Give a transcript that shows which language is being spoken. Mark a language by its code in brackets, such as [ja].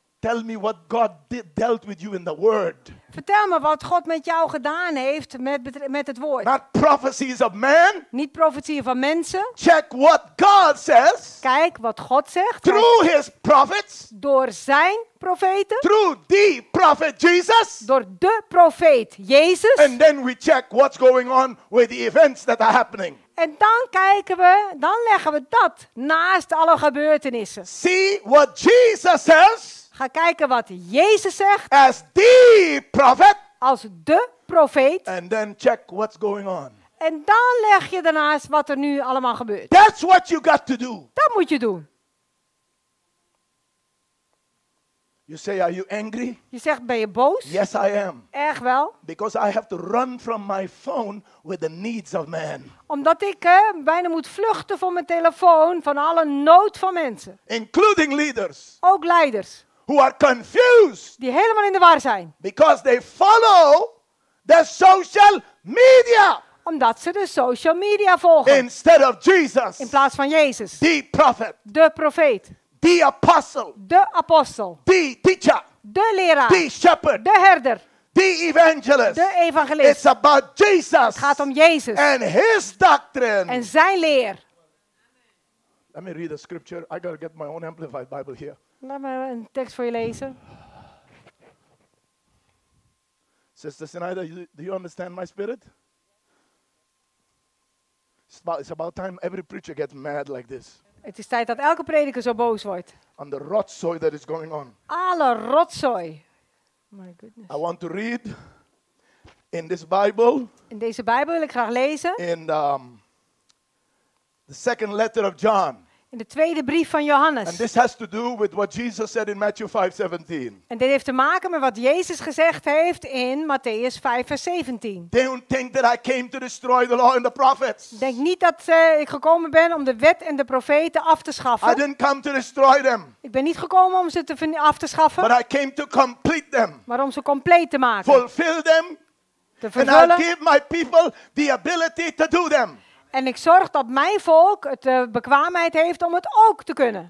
[en] Tell me what God dealt with you in the word. [nl] Vertel me wat God met jou gedaan heeft met het woord. [en] Not prophecies of man. [nl] Niet profetieën van mensen. [en] Check what God says. [nl] Kijk wat God zegt. [en] Through his prophets. [nl] Door zijn profeten. [en] Through the prophet Jesus. [nl] Door de profeet Jezus. [en] And then we check what's going on with the events that are happening. [nl] En dan kijken we, dan leggen we dat naast alle gebeurtenissen. [en] See what Jesus says. [nl] Ga kijken wat Jezus zegt. [en] As the prophet. [nl] Als de profeet. [en] And then check what's going on. [nl] En dan leg je daarnaast wat er nu allemaal gebeurt. [en] That's what you got to do. [nl] Dat moet je doen. [en] You say, are you angry? [nl] Je zegt, ben je boos? [en] Yes, I am. [nl] Echt wel. [en] Because I have to run from my phone with the needs of man. [nl] Omdat ik bijna moet vluchten van mijn telefoon van alle nood van mensen. [en] Including leaders. [nl] Ook leiders. [en] Who are confused. [nl] Die helemaal in de war zijn. [en] Because they follow the social media. [nl] Omdat ze de social media volgen. [en] Instead of Jesus. [nl] In plaats van Jezus. [en] The prophet. [nl] De profeet. [en] The apostle. [nl] De apostel. [en] The teacher. [nl] De leraar. [en] The shepherd. [nl] De herder. [en] The evangelist. [nl] De evangelist. [en] It's about Jesus. [nl] Het gaat om Jezus. [en] And his doctrine. [nl] En zijn leer. [en] Let me read a scripture. I gotta get my own amplified Bible here. [nl] Laat me een tekst voor je lezen. [en] Sister Sinaida, do you understand my spirit? It's about time every preacher gets mad like this. [nl] Het is tijd dat elke prediker zo boos wordt. [en] On the rotzooi that is going on. [nl] Alle rotzooi. [en] My goodness. I want to read in this Bible. [nl] In deze Bijbel wil ik graag lezen. [en] In the second letter of John. [nl] In de tweede brief van Johannes. [en] And this has to do with what Jesus said in Matthew 5:17. [nl] En dit heeft te maken met wat Jezus gezegd heeft in Matthäus 5:17. [en] Don't think that I came to destroy the law and the prophets. [nl] Denk niet dat ik gekomen ben om de wet en de profeten af te schaffen. [en] I didn't come to destroy them. [nl] Ik ben niet gekomen om ze af te schaffen. [en] But I came to complete them. [nl] Maar om ze compleet te maken. [en] Fulfill them. [nl] Te vervullen. [en] And I give my people the ability to do them. [nl] En ik zorg dat mijn volk het bekwaamheid heeft om het ook te kunnen.